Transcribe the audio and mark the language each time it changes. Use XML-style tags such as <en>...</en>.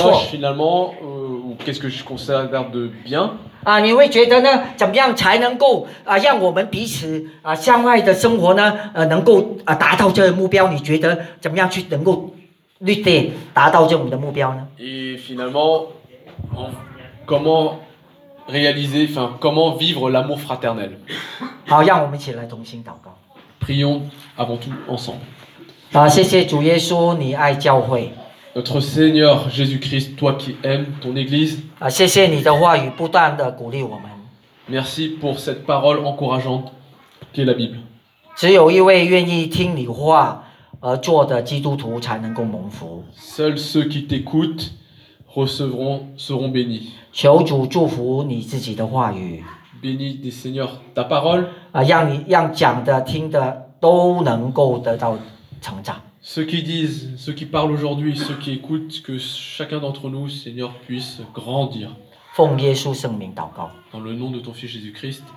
<fr>Finalement, ou qu'est-ce que je considère de bien?</fr> <zh>你会觉得呢？怎么样才能够啊，让我们彼此啊相爱的生活呢？能够啊达到这个目标？你觉得怎么样去能够绿点达到这种的目标呢</zh> <fr>？Et finalement, comment réaliser, enfin comment vivre l'amour fraternel？</fr> <zh>好，让我们一起来同心祷告。</zh> <fr>Prions avant tout ensemble.</fr> <zh>谢谢主耶稣，你爱教会。</zh> <fr>Notre Seigneur Jésus-Christ, toi qui aimes ton Église,</fr> <zh>谢谢你的话语不断地鼓励我们。</zh> <fr>Merci pour cette parole encourageante qu'est la Bible.</fr> <zh>只有一位愿意听你话而做的基督徒才能够蒙福。</zh> <fr>Seuls ceux qui t'écoutent recevront, seront bénis.</fr> <zh>求主祝福你自己的话语。</zh> <fr>Bénis des Seigneurs ta parole.</fr> <zh>让讲的听的都能够得到成长。</zh> <fr>Ceux qui disent, ceux qui parlent aujourd'hui, ceux qui écoutent, que chacun d'entre nous, Seigneur, puisse grandir. Dans le nom de ton Fils Jésus-Christ.</fr>